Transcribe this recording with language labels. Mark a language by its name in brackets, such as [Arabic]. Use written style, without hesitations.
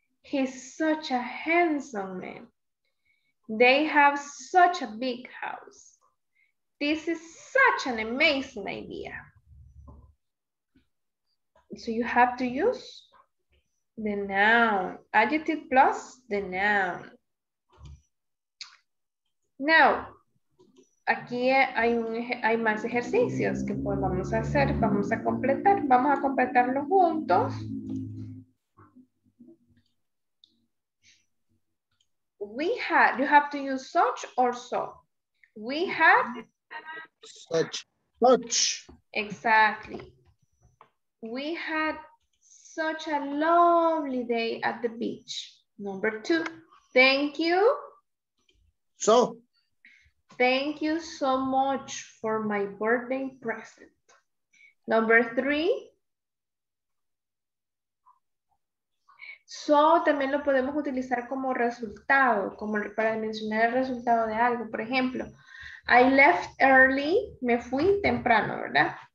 [English] He's such a handsome man. They have such a big house. This is such an amazing idea. So you have to use the noun, adjective plus the noun. [Spanish] Now, aquí hay más ejercicios que pues vamos a hacer, vamos a completar, juntos. [English] we had, you have to use such or so. We had such. Such. Exactly. We had such a lovely day at the beach. Number two. Thank you. So. Thank you so much for my birthday present. Number three. [Spanish] So también lo podemos utilizar como resultado, como para mencionar el resultado de algo. Por ejemplo, [English] I left early, [Spanish] me fui temprano, ¿verdad?